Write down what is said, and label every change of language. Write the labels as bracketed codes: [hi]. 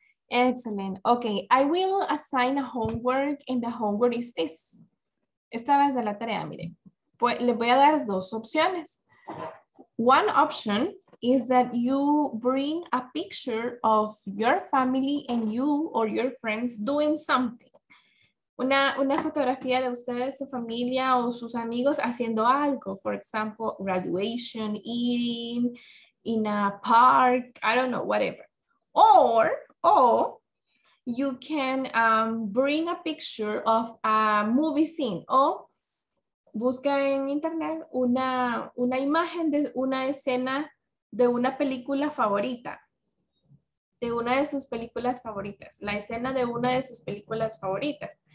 [en] Excellent. Okay, I will assign a homework, and the homework is this. [es] Esta vez de la tarea, miren. Pues les voy a dar dos opciones. [en] One option is that you bring a picture of your family and you or your friends doing something. [es] Una fotografía de ustedes, su familia o sus amigos haciendo algo. [en] For example, graduation, eating, in a park, I don't know, whatever. Or you can bring a picture of a movie scene. [es] O busca en internet una imagen de una escena de una película favorita. De una de sus películas favoritas. La escena de una de sus películas favoritas.